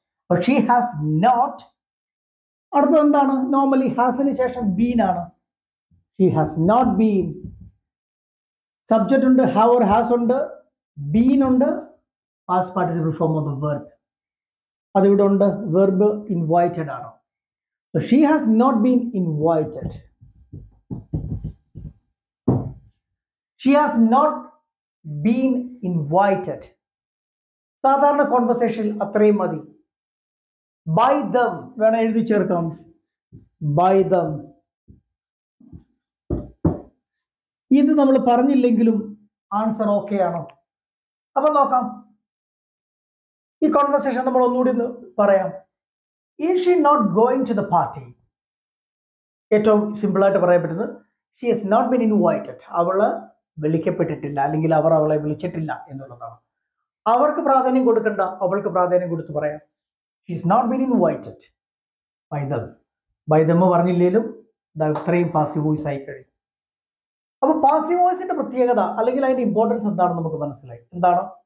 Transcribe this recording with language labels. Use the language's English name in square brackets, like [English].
[Malayalam] അപ്പൊ [English] She has not. [Malayalam] അടുത്തത് എന്താണ്? നോർമലി ഹാസിന് ശേഷം ബീൻ ആണ്. [English] She has not been. [Malayalam] Subject ഉണ്ട്, ഹാവ് ഓർ ഹാസ് ഉണ്ട്, ബീൻ ഉണ്ട്, past participle form of the verb അതിവിടെ ഉണ്ട്. വെർബ് ഇൻവൈറ്റഡ് ആണ്. [English] So she has not been invited. She has not been invited. [Malayalam] സാധാരണ കോൺവെർസേഷനിൽ അത്രയും മതി. [English] By them [Malayalam] വേണം എഴുതി ചേർക്കാം. [English] By them. [Malayalam] ഇത് നമ്മൾ പറഞ്ഞില്ലെങ്കിലും ആൻസർ ഓക്കെ ആണോ? അപ്പൊ നോക്കാം ഈ കോൺവെർസേഷൻ നമ്മൾ ഒന്നുകൂടി ഒന്ന് പറയാം. [English] Is she not going to the party? [Malayalam] ഏറ്റവും സിമ്പിളായിട്ട് പറയാൻ പറ്റുന്നത് [English] she has not been invited, [Malayalam] അവൾ വിളിക്കപ്പെട്ടിട്ടില്ല അല്ലെങ്കിൽ അവർ അവളെ വിളിച്ചിട്ടില്ല എന്നുള്ളതാണ്. അവർക്ക് പ്രാധാന്യം കൊടുക്കണ്ട, അവൾക്ക് പ്രാധാന്യം കൊടുത്ത് പറയാം. [English] She has not been invited by them. By them [Malayalam] പറഞ്ഞില്ലേലും ഇത്രയും പാസീവ് വോയിസ് ആയി കഴിഞ്ഞു. അപ്പൊ പാസീവ് വോയിസിന്റെ പ്രത്യേകത അല്ലെങ്കിൽ അതിന്റെ ഇമ്പോർട്ടൻസ് എന്താണ് നമുക്ക് മനസ്സിലായി. എന്താണ്?